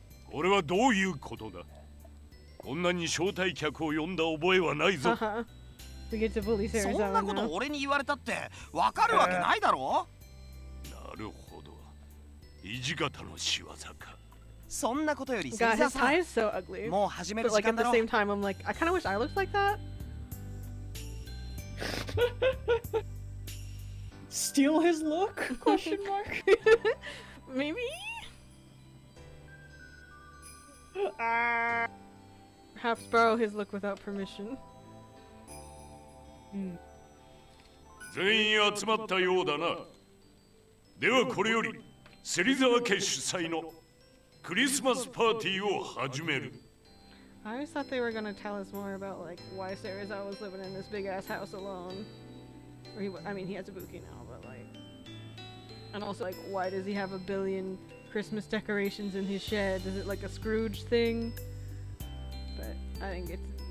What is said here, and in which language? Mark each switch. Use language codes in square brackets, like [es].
[ja] これはどういうことだ。こんなに招待客を呼んだ覚えはないぞ。そんなこと俺に言われたってわかるわけないだろう。なるほど、土方の仕業か。そんなことより芹沢さん、もう始める時間だろ。 [en] But like at the same time, I'm like, I kind of wish I looked like that. Steal his look? Question mark? Maybe? Perhaps borrow his look without permission. [ja] 全員集まったようだな。ではこれより芹沢家主催のクリスマスパーティーを始める。 [en] I always thought they were gonna tell us more about like why Sarazawa was living in this big ass house alone. He has a bookie now, but like, and also like, why does he have a billion? Christmas decorations in his shed. Is it like a Scrooge thing? But I think it's.